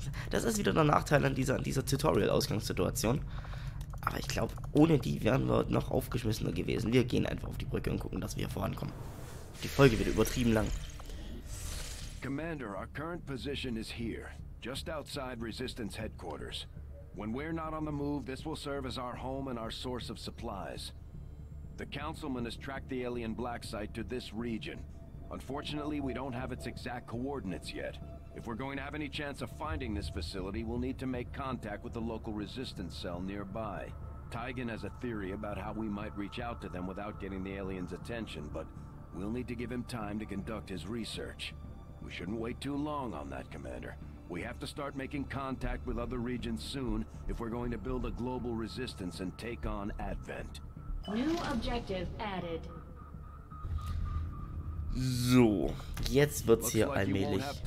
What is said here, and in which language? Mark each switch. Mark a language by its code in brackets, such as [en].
[de] Das ist wieder der Nachteil an dieser Tutorial-Ausgangssituation. Aber ich glaube, ohne die wären wir noch aufgeschmissener gewesen. Wir gehen einfach auf die Brücke und gucken, dass wir hier vorankommen. Die Folge wird übertrieben lang. [en] Commander, our current position is here, just outside Resistance Headquarters. When we're not on the move, this will serve as our home and our source of supplies. The Councilman has tracked the alien black site to this region. Unfortunately, we don't have its exact coordinates yet. If we're going to have any chance of finding this facility, we'll need to make contact with the local resistance cell nearby. Tigan has a theory about how we might reach out to them without getting the aliens' attention, but we'll need to give him time to conduct his research. We shouldn't wait too long on that, Commander. We have to start making contact with other regions soon if we're going to build a global resistance and take on Advent. New objective added. [de] So, jetzt wird's hier allmählich.